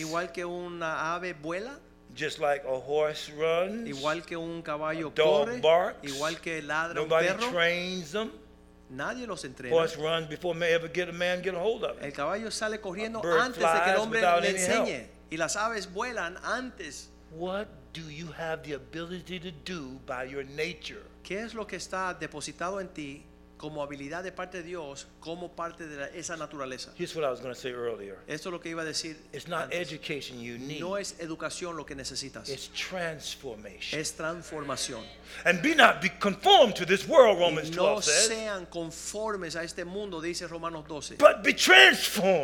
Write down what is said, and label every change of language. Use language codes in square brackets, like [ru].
[es] Igual que una ave vuela. [en] Just like a horse runs. [es] Igual que un caballo [en] a dog [es] corre. [en] Dog barks. [es] Igual que ladra [en] nobody [es] un perro. [en] Trains them. [es] Nadie los entrena. [en] Horse runs before may ever get a man get a hold of it. [es] El caballo sale corriendo antes de que el hombre le enseñe. Y las aves vuelan antes. [en] What do you have the ability to do by your nature? [es] ¿Qué es lo que está depositado en ti como habilidad de parte de Dios, como parte de esa naturaleza? [en] Here's what I was going to say earlier. [es] Esto es lo que iba a decir. [en] It's not education you need. [es] No es educación lo que necesitas. [en] It's transformation. [es] Es transformación. [en] And be not be conformed to this world, Romans 12 says. [es] No sean conformes a este mundo, dice Romanos 12. [en] But be transformed.